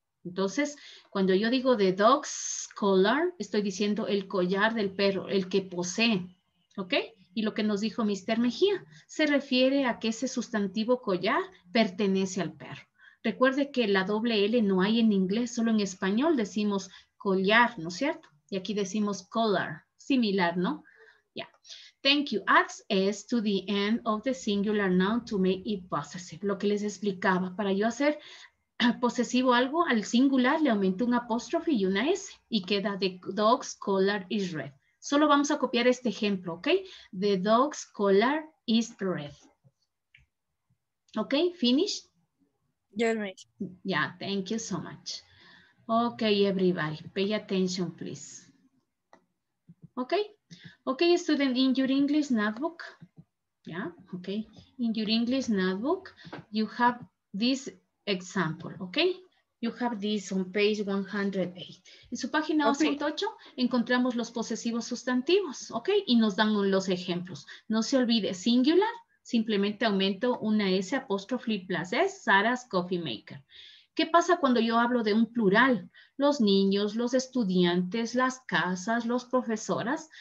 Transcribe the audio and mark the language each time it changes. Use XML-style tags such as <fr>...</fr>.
<es>Entonces, cuando yo digo</es> <en>the dog's collar,</en> <es>estoy diciendo el collar del perro, el que posee, ¿ok? Y lo que nos dijo Mr. Mejía, se refiere a que ese sustantivo collar pertenece al perro. Recuerde que la doble L no hay en inglés, solo en español decimos collar, ¿no es cierto? Y aquí decimos collar, similar, ¿no?</es> <en>Yeah. Thank you. Add S to the end of the singular noun to make it possessive.</en> <es>Lo que les explicaba, para yo hacer posesivo algo, al singular le aumento un apóstrofe y una S. Y queda</es> <en>the dog's collar is red.</en> <es>Solo vamos a copiar este ejemplo, ¿ok?</es> <en>The dog's collar is red. ¿Ok? Finished. Yeah, thank you so much. Okay, everybody, pay attention, please. Okay? Okay, student, in your English notebook, yeah, okay, in your English notebook, you have this example, okay? You have this on page 108.</en> <es>En su página 108 encontramos los posesivos sustantivos, okay? Y nos dan los ejemplos. No se olvide, singular. Simplemente aumento una S apóstrofe plus S, Sarah's Coffee Maker. ¿Qué pasa cuando yo hablo de un plural? Los niños, los estudiantes, las casas, los profesoras.</es>